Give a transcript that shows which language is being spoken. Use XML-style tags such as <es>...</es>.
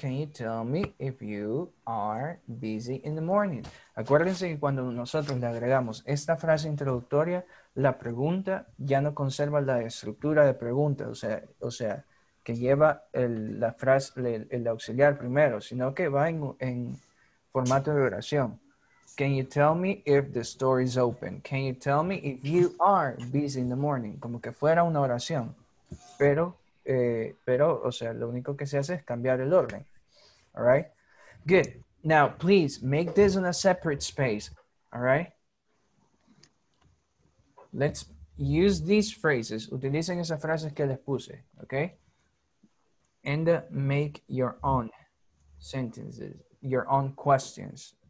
<en>Can you tell me if you are busy in the morning?</en> <es>Acuérdense que cuando nosotros le agregamos esta frase introductoria, la pregunta ya no conserva la estructura de pregunta, o sea, que lleva el auxiliar primero, sino que va en formato de oración.</es> <en>Can you tell me if the store is open? Can you tell me if you are busy in the morning?</en> <es>Como que fuera una oración, pero, o sea, lo único que se hace es cambiar el orden.</es> <en>All right? Good. Now, please, make this in a separate space. All right? Let's use these phrases. Utilicen esas frases que les puse. Okay? And make your own sentences, your own questions.</en>